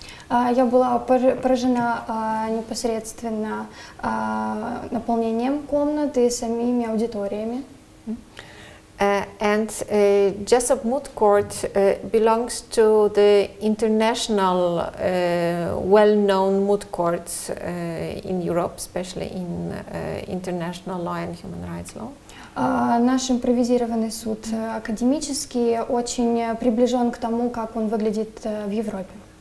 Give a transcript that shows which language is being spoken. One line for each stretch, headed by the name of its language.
Russian: Я была поражена непосредственно наполнением комнаты, самими аудиториями.
English: And Jessop Moot Court belongs to the international well-known moot courts in Europe, especially in international law and human rights law.
Russian: Наш импровизированный суд академический очень приближен к тому, как он выглядит в Европе.